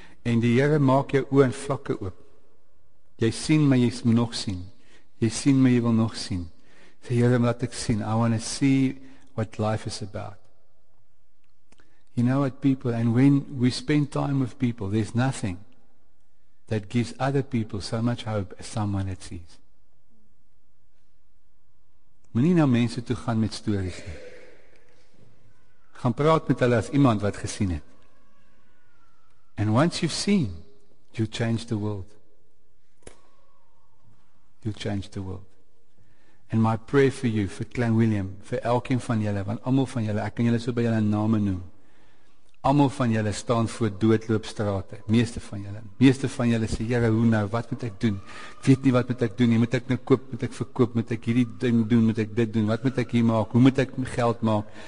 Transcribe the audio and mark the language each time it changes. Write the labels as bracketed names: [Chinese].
[Afrikaans] En die Here maak jou oë en vlakke oop. Jy sien, maar jy wil nog sien. Jy sien, maar jy wil nog sien. Sê, Here, laat ek sien. [English] I want to see what life is about. You know what, people, and when we spend time with people, there's nothing that gives other people so much hope as someone that sees. [Afrikaans] Moet nie nou mense toe gaan met stories nie. Gaan praat met hulle as iemand wat gesien het. [English] And once you've seen, you'll change the world. You'll change the world. And my prayer for you, for Clan William, for [Afrikaans] elkeen van julle, van almal van julle, ek kan julle so by julle name noem, allemaal van julle staan voor doodloopstrate, meeste van julle sê, Here, hoe nou, wat moet ek doen? Ek weet nie wat moet ek doen nie, moet ek nou koop, moet ek verkoop, moet ek hierdie ding doen, moet ek dit doen, wat moet ek hier maak, hoe moet ek geld maak?